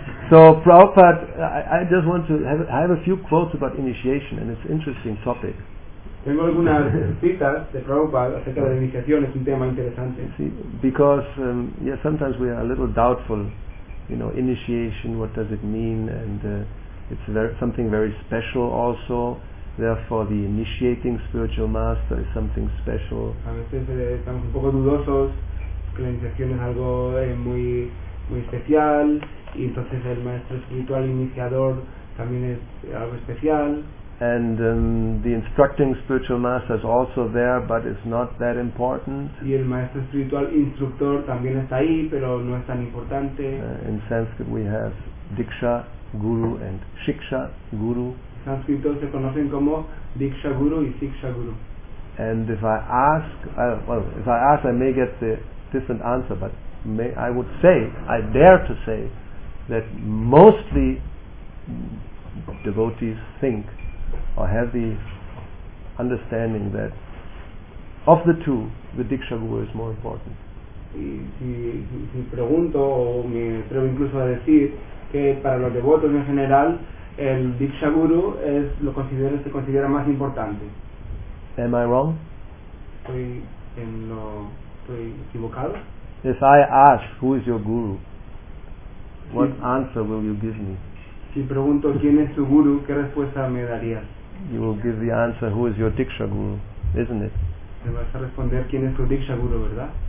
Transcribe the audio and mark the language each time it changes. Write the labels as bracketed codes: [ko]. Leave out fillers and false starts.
[en] So Prabhupada, I just want to have a few quotes about initiation, and it's an interesting topic. [es] Tengo algunas citas de Prabhupada acerca de iniciación. Es un tema interesante. [en] See, because sometimes we are a little doubtful. You know, initiation. What does it mean? And it's something very special also, therefore the initiating spiritual master is something special. [es] A veces estamos un poco dudosos, que la iniciación es algo muy, muy especial, y entonces el maestro espiritual iniciador también es algo especial. [en] And the instructing spiritual master is also there, but it's not that important. [es] Y el maestro espiritual instructor también está ahí, pero no es tan importante. [en] In Sanskrit we have Diksha Guru and Shiksha Guru. [es] Sanskrito se conocen como Diksha Guru y Shiksha Guru. [en] And if I ask, I may get the different answer, but I dare to say that mostly devotees think or have the understanding that of the two, the Diksha Guru is more important. [es] Y si, si pregunto o me atrevo incluso a decir que para los devotos en general el Diksha Guru es lo considera, se considera más importante. [en] Am I wrong? [es] Estoy en lo, estoy equivocado. [en] If I ask who is your guru, what answer will you give me? [es] Si pregunto quién es tu guru, ¿qué respuesta me darías? [en] You will give the answer who is your Diksha Guru, isn't it? [es] Me vas a responder quién es tu Diksha Guru, ¿verdad?